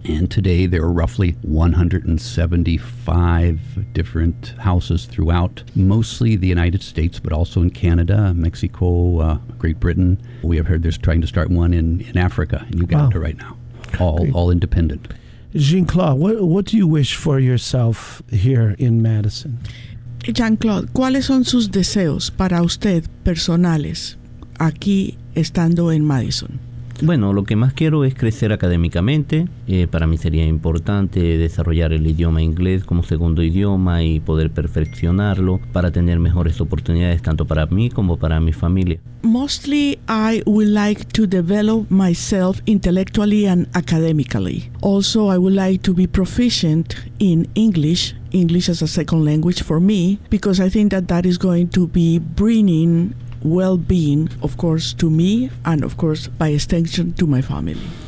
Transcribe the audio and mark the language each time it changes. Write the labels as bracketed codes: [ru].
[en] And today there are roughly 175 different houses throughout mostly the United States, but also in Canada, Mexico, Great Britain. We have heard there's trying to start one in Africa, in Uganda right now, all independent. Jean-Claude, what do you wish for yourself here in Madison? [es] Jean-Claude, ¿cuáles son sus deseos para usted personales aquí estando en Madison? Bueno, lo que más quiero es crecer académicamente. Para mí sería importante desarrollar el idioma inglés como segundo idioma y poder perfeccionarlo para tener mejores oportunidades tanto para mí como para mi familia. [en] Mostly, I would like to develop myself intellectually and academically. Also, I would like to be proficient in English, English as a second language for me, because I think that that is going to be bringing well-being, of course, to me, and of course, by extension, to my family.